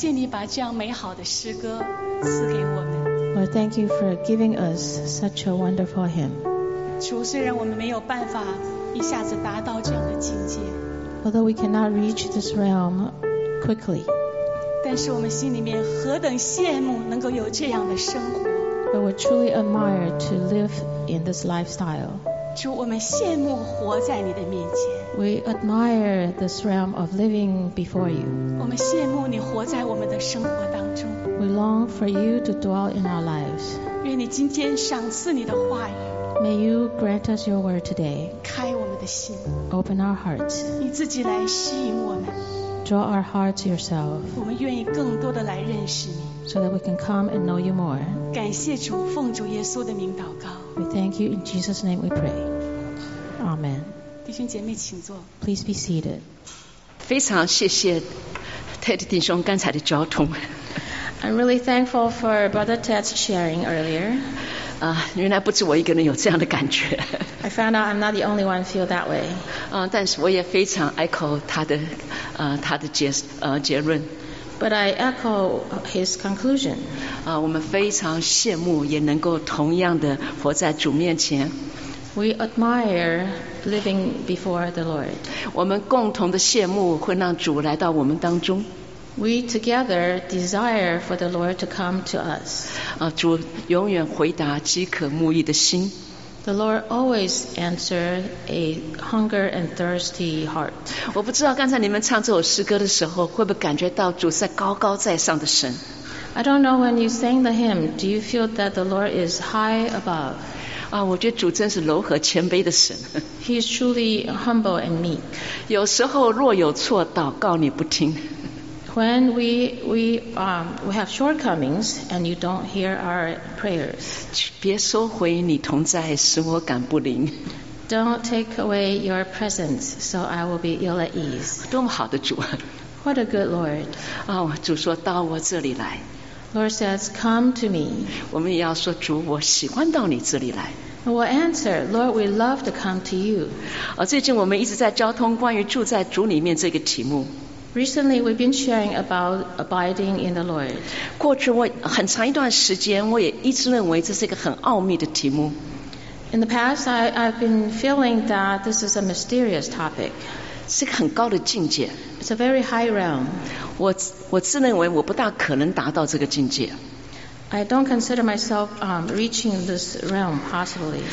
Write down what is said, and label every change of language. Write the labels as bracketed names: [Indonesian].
[Chinese] 把这样美好的诗歌赐给我们。 [English] Lord, thank you for giving us such a wonderful hymn. [Chinese] 主，虽然我们没有办法一下子达到这样的境界， [English] although we cannot reach this realm quickly, [Chinese] 但是我们心里面何等羡慕能够有这样的生活。 [English] But we truly admire to live in this lifestyle. [Chinese] 主，我们羡慕活在你的面前。 [English] We admire this realm of living before you. [Chinese] 我们羡慕你活在我们的生活当中。 [English] We long for you to dwell in our lives. [Chinese] 愿你今天赏赐你的话语。 [English] May you grant us your word today. [Chinese] 开我们的心。 [English] Open our hearts. [Chinese] 你自己来吸引我们。 [English] Draw our hearts yourself. [Chinese] 我们愿意更多的来认识你。 [English] So that we can come and know you more. [Chinese] 感谢主，奉主耶稣的名祷告。 [English] We thank you in Jesus' name we pray. Amen. [Chinese] 弟兄姐妹请坐。 [English] Please be seated. [Chinese] 非常谢谢 Ted 弟兄刚才的交通。 [English] I'm really thankful for Brother Ted's sharing earlier. [Chinese] 原来不止我一个人有这样的感觉。 [English] I found out I'm not the only one feel that way. [Chinese] 但是我也非常 echo 他的结论。 [English] But I echo his conclusion. [Chinese] 我们非常羡慕也能够同样的活在主面前。 [English] We admire living before the Lord. [Chinese] 我们共同的羡慕会让主来到我们当中。 [English] We together desire for the Lord to come to us. [Chinese] 主永远回答饥渴慕义的心。 [English] The Lord always answers a hunger and thirsty heart. [Chinese] 我不知道刚才你们唱这首诗歌的时候，会不会感觉到主是高高在上的神？ [English] I don't know when you sang the hymn, do you feel that the Lord is high above? [Chinese] 我觉得主真是柔和谦卑的神。 [English] He is truly humble and meek. [Chinese] 有时候若有错，祷告你不听。 [English] When we have shortcomings and you don't hear our prayers. [Chinese] 别收回你同在，使我感不灵。 [English] Don't take away your presence, so I will be ill at ease. [Chinese] 多么好的主。 [English] What a good Lord. [Chinese] 主说到我这里来。 [English] Lord says, "Come to me." [Chinese] 我们也要说主，我喜欢到你这里来。 [English] We answer, Lord, we love to come to you. [Chinese] 最近我们一直在交通关于住在主里面这个题目。 [English] Recently, we've been sharing about abiding in the Lord. [Chinese] 过去我很长一段时间，我也一直认为这是一个很奥秘的题目。 [English] In the past, I've been feeling that this is a mysterious topic. [Chinese] 是个很高的境界。 [English] It's a very high realm. [Chinese] 我自认为我不大可能达到这个境界。 [English] I don't consider myself reaching this realm possibly.